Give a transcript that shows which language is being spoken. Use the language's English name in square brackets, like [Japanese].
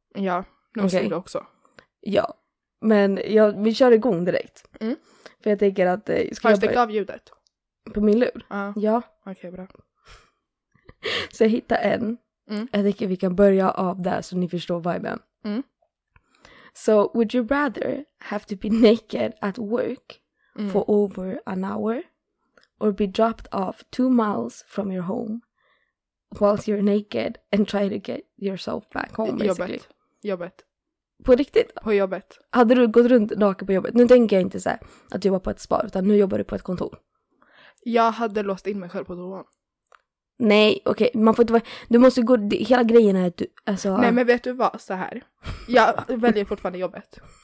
[Swedish] Ja, nu måste du också. Ja, men vi kör igång direkt. Mm. För jag tänker att... Ska har du stäckt av ljudet? På min lur? Ja. Okej, bra. Så jag hittar en. Mm. Jag tänker vi kan börja av där så ni förstår viben. Mm. [English] So, would you rather have to be naked at work for over an hour or be dropped off 2 miles from your home whilst you're naked and try to get yourself back home, basically? [Swedish] Jobbet. På riktigt? På jobbet. Hade du gått runt naken på jobbet? Nu tänker jag inte så här att du var på ett spa, utan nu jobbar du på ett kontor. Jag hade låst in mig själv på toan. Nej, okej. Okay. Man får inte vara... Du måste gå... Hela grejen är att du... Alltså... Nej, men vet du vad? Så här. Jag väljer fortfarande jobbet.